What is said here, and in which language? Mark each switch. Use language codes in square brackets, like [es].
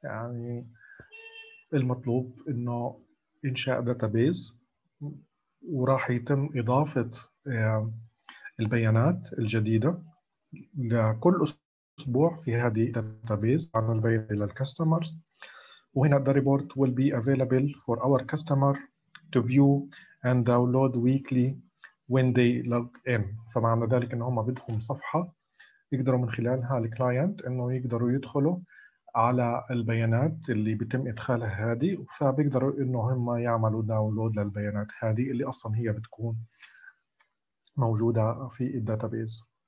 [ar] يعني المطلوب انه انشاء database وراح يتم إضافة البيانات الجديدة لكل أسبوع في هذه الداتابيز عن البيانات للكاستمرز. وهنا [en] the report will be available for our customer to view and download weekly when they log in. [ar] فمعنى ذلك ان هم بدهم صفحه يقدروا من خلالها الكلاينت انه يقدروا يدخلوا على البيانات اللي بيتم ادخالها هذه، فبيقدروا انه هم يعملوا داونلود للبيانات هذه اللي اصلا هي بتكون موجوده في الداتابيز.